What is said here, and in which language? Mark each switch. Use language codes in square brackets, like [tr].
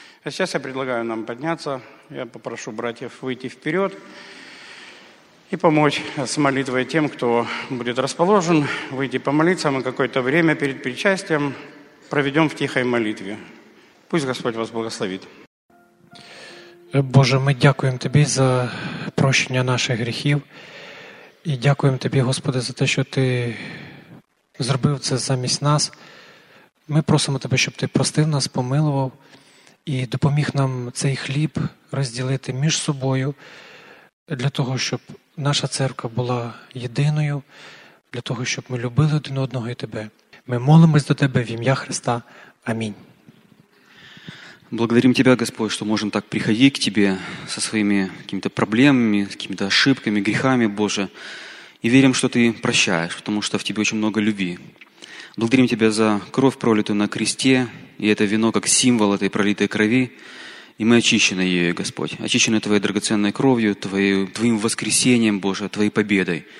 [ru] А сейчас я предлагаю нам подняться. Я попрошу братьев выйти вперед и помочь с молитвой тем, кто будет расположен, выйти помолиться. Мы какое-то время перед причастием проведем в тихой молитве. Пусть Господь вас благословит. [uk] Боже, ми дякуємо Тобі за прощення наших гріхів. І дякуємо Тобі, Господи, за те, що Ти зробив це замість нас. Ми просимо Тебе, щоб Ти простив нас, помилував і допоміг нам цей хліб розділити між собою, для того, щоб наша церква була єдиною, для того, щоб ми любили один одного і Тебе. Ми молимось до Тебе в ім'я Христа. Амінь. [ru] Благодарим Тебя, Господь, что можем так приходить к Тебе со своими какими-то проблемами, с какими-то ошибками, грехами, Боже, и верим, что Ты прощаешь, потому что в Тебе очень много любви. Благодарим Тебя за кровь, пролитую на кресте, и это вино как символ этой пролитой крови, и мы очищены ею, Господь, очищены Твоей драгоценной кровью, Твоим воскресением, Боже, Твоей победой.